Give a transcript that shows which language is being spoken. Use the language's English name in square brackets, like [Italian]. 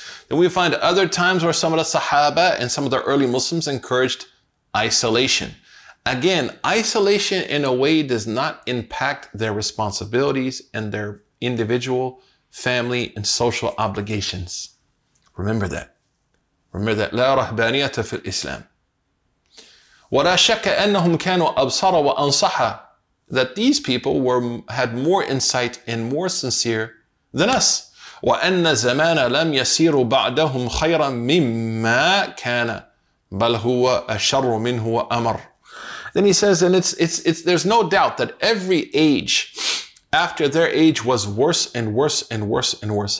[English] Then we find other times where some of the Sahaba and some of the early Muslims encouraged isolation. Again, isolation in a way does not impact their responsibilities and their individual family and social obligations. Remember that. Remember that. [Arabic] لا رهبانية في الإسلام. وَلَا شَكَّ أَنَّهُمْ كَانُوا أَبْصَرَ وَأَنصَحَ. [English] That these people had more insight and more sincere than us. [Arabic] وَأَنَّ زَمَانَ لَمْ يَسِيرُ بَعْدَهُمْ خَيْرًا مِمَّا كَانَ بَلْ هُوَ أَشَرُّ مِنْهُ وَأَمَرُ. [English] Then he says, and it's there's no doubt that every age after their age was worse and worse and worse and worse.